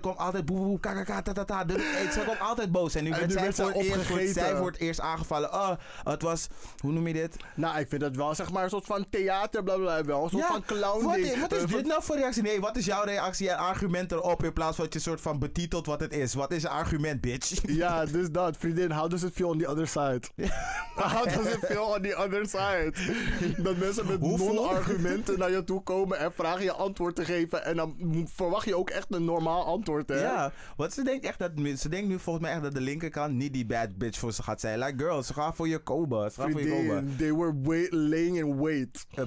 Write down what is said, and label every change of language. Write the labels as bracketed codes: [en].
[nl] Komt altijd boe, boe, kaka, kata, tata. Ze komt altijd boos. En nu werd zij voor het eerst aangevallen. Het was... Hoe noem je dit? Nou, ik vind dat wel zeg maar een soort van theater. Blablabla, wel. Zo van clowning. Wat is dit nou voor reactie? Nee, wat is jouw reactie en argument erop in plaats van dat je soort van betitelt wat het is? Wat is je argument, bitch? Ja, dus dat. Vriendin, [en] how does it feel on the other side? How does it feel on the other side? [nl] Dat mensen met non-argumenten naar je toe komen en vragen je antwoord te geven en dan verwacht je ook echt een normaal antwoord, hè? Ja, want ze denkt nu volgens mij echt dat de linkerkant niet die bad bitch voor ze gaat zijn. [en] Like, girl, [nl] ze gaan voor je komen. [en] They were laying in wait.